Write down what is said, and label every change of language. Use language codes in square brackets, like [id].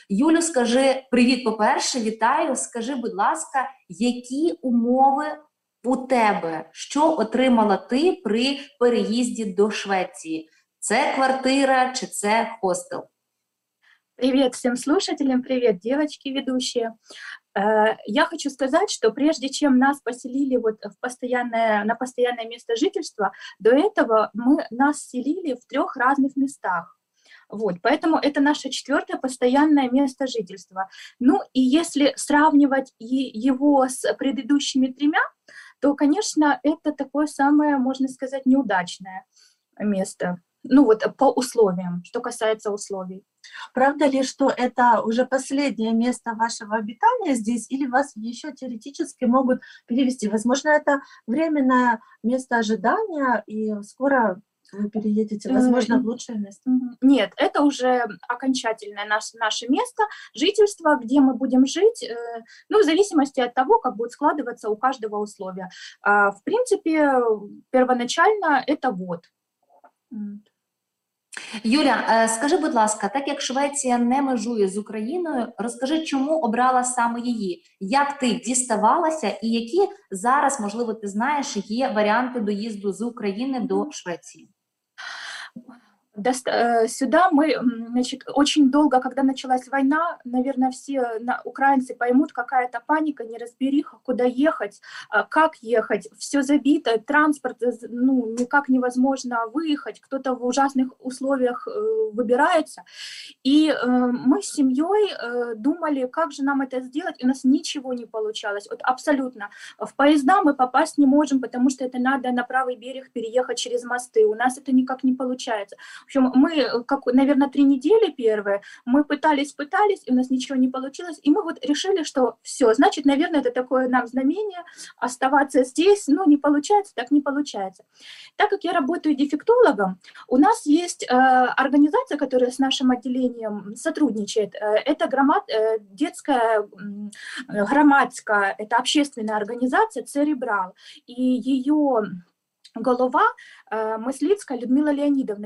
[uk] Юлю, скажи привіт, по-перше, вітаю. Скажи, будь ласка, які умови у тебе? Що отримала ти при переїзді до Швеції? Це квартира чи це хостел? Привіт всім слушателям, привіт, дівчатки ведучі. [ru] Я хочу сказать, что прежде чем нас поселили вот в постоянное, на постоянное место жительства, до этого мы нас селили в трех разных местах. Вот, поэтому это наше четвертое постоянное место жительства. Ну и если сравнивать его с предыдущими тремя, то, конечно, это такое самое, можно сказать, неудачное место. Ну вот по условиям, что касается условий. Правда ли, что это уже последнее место вашего обитания здесь, или вас еще теоретически могут перевести? Возможно, это временное место ожидания, и скоро вы переедете, возможно, в лучшее место? Нет, это уже окончательное наше место жительства, где мы будем жить, ну, в зависимости от того, как будут складываться у каждого условия. В принципе, первоначально это вот. [uk] Юля, скажи, будь ласка, так як Швеція не межує з Україною, розкажи, чому обрала саме її? Як ти діставалася і які зараз, можливо, ти знаєш, є варіанти доїзду з України до Швеції? Сюда ми, значить, очень довго, коли почалась війна, наверное, всі українці поймуть, какая та паніка, нерозберіха, куди їхати, як їхати, все забито, транспорт, ну, ніяк невозможно виїхати, хтось в ужасних условиях вибирається. І ми з сім'єю думали, як же нам це зробити, і у нас нічого не вийшло, от абсолютно. В поїзда ми попасть не можемо, тому що це треба на правий берег переїхати через мости, у нас це ніяк не вийшло. [ru] В общем, мы, как, наверное, три недели первые, мы пытались, и у нас ничего не получилось, и мы вот решили, что все, значит, наверное, это такое нам знамение, оставаться здесь, ну, не получается, так не получается. Так как я работаю дефектологом, у нас есть организация, которая с нашим отделением сотрудничает, это детская громадская, это общественная организация «Церебрал», и ее голова Мыслицкая Людмила Леонидовна.